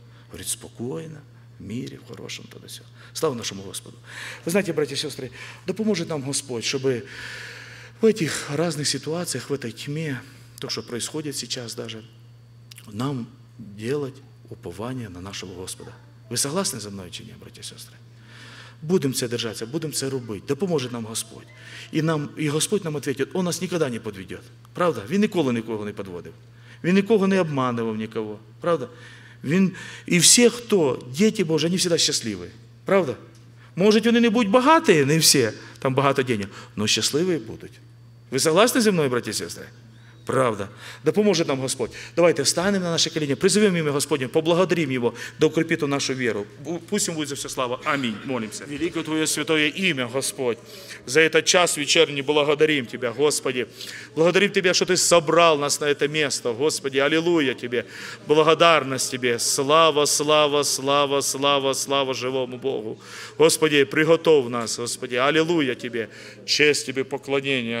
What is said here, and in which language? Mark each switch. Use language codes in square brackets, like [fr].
[ru] Говорит, спокойно, в мире, в хорошем, тогда все. Слава нашему Господу. Вы знаете, братья и сестры, да поможет нам Господь, чтобы в этих разных ситуациях, в этой тьме, то, что происходит сейчас даже, нам делать упование на нашего Господа. Вы согласны за мной, чи не, братья и сестры? Будем це держаться, будем це рубить. Да поможет нам Господь. И нам, и Господь нам ответит, Он нас никогда не подведет. Правда? [uk] Він ніколи нікого не подводив. Він нікого не обманував, нікого. [ru] Правда? [uk] Він, і всі, хто діти Божі, вони завжди щасливі. Правда? Може, вони не будуть багаті, не всі, там багато грошей, але щасливі будуть. Ви согласні зі мною, браті і сестри? Правда. Допоможе нам Господь. Давайте встанемо на наше коліно, призовемо ім'я Господнє, поблагодарімо Його, да укріпіть нашу віру. Пусть Йому буде за все слава. Амінь. Молимося. Велике Твоє святое ім'я, Господь. [ru] За этот час вечерний благодарим Тебя, Господи. Благодарим Тебя, что Ты собрал нас на это место, Господи. Аллилуйя Тебе. Благодарность Тебе. Слава, слава, слава, слава, слава живому Богу. Господи, приготовь нас, Господи. Аллилуйя Тебе. Честь Тебе, поклонение.